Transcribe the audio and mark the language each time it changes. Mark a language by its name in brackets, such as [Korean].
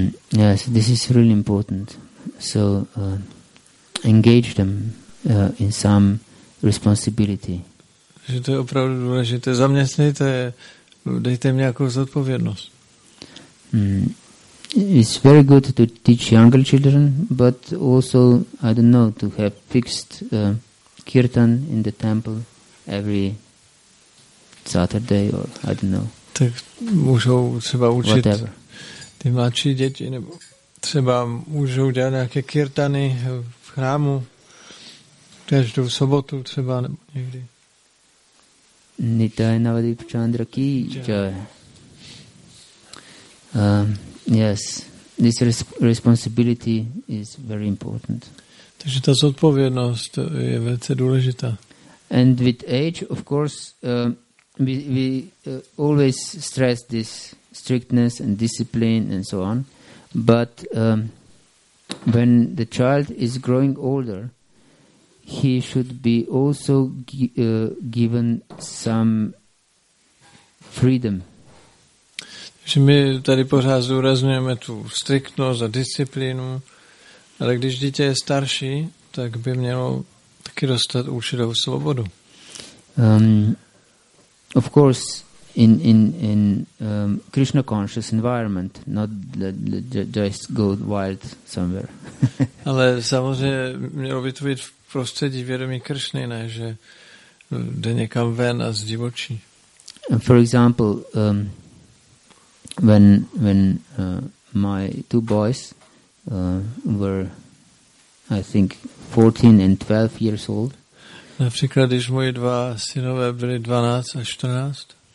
[English] Yes, this is really important. So engage them in some responsibility. [Czech] Že to je opravdu důležité. Zaměstnejte, dejte jim nějakou zodpovědnost. [English] It's very good to teach younger children, but also, I don't know, to have fixed kirtan in the temple every Saturday, or I don't know. [Czech] Tak můžou třeba učit whatever. Ty mladší děti, nebo třeba můžou dělat nějaké kirtany v chrámu, každou sobotu třeba, nebo někdy. [Hindi] Nitaj Navadip Chandra ki jaya. [English] Yes, this responsibility is very important. [Czech] Takže ta zodpovědnost je velice důležitá. [English] And with age, of course, we always stress this strictness and discipline and so on. But when the child is growing older, he should be also given some freedom. [Czech] Že my tady pořád zdůrazňujeme tu striktnost a disciplínu, ale když dítě je starší, tak by mělo taky dostat určitou svobodu. [English] Of course, in Krishna conscious environment, not just go wild somewhere. [Czech] Ale samozřejmě mělo by to být v prostředí vědomí Kršny, ne, že jde někam ven a zdivočí. [English] For example, when my two boys were, I think, 14 and 12 years old. [Czech] Například, když moji dva synové byli 12 a 14.